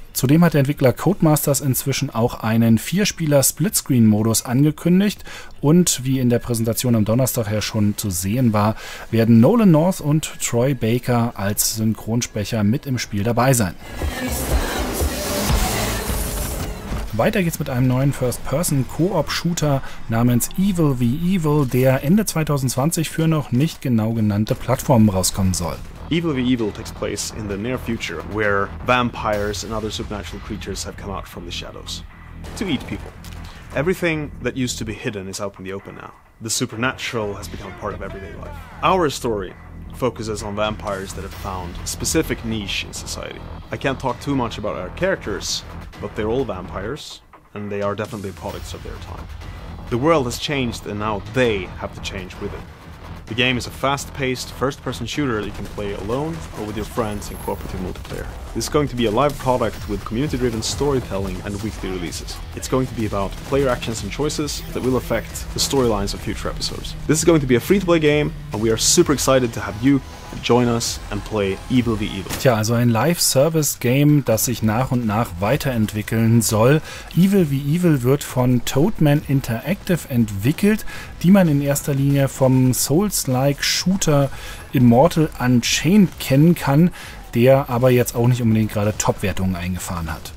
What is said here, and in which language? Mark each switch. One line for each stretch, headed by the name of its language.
German: Zudem hat der Entwickler Codemasters inzwischen auch einen 4-Spieler-Splitscreen-Modus angekündigt und wie in der Präsentation am Donnerstag ja schon zu sehen war, werden Nolan North und Troy Baker als Synchronsprecher mit im Spiel dabei sein. Weiter geht's mit einem neuen First-Person-Koop-Shooter namens Evil v Evil, der Ende 2020 für noch nicht genau genannte Plattformen rauskommen soll.
English: Evil v Evil takes place in the near future, where vampires and other supernatural creatures have come out from the shadows to eat people. Everything that used to be hidden is out in the open now. The supernatural has become part of everyday life. Our story focuses on vampires that have found a specific niche in society. I can't talk too much about our characters, but they're all vampires, and they are definitely products of their time. The world has changed, and now they have to change with it. The game is a fast-paced first-person shooter that you can play alone or with your friends in cooperative multiplayer. This is going to be a live product with community-driven storytelling and weekly releases. It's going to be about player actions and choices that will affect the storylines of future episodes. This is going to be a free-to-play game and we are super excited to have you join us and play Evil v Evil.
German: Tja, also ein Live-Service-Game, das sich nach und nach weiterentwickeln soll. Evil v Evil wird von Toadman Interactive entwickelt, die man in erster Linie vom Souls-like-Shooter Immortal Unchained kennen kann, der aber jetzt auch nicht unbedingt gerade Top-Wertungen eingefahren hat.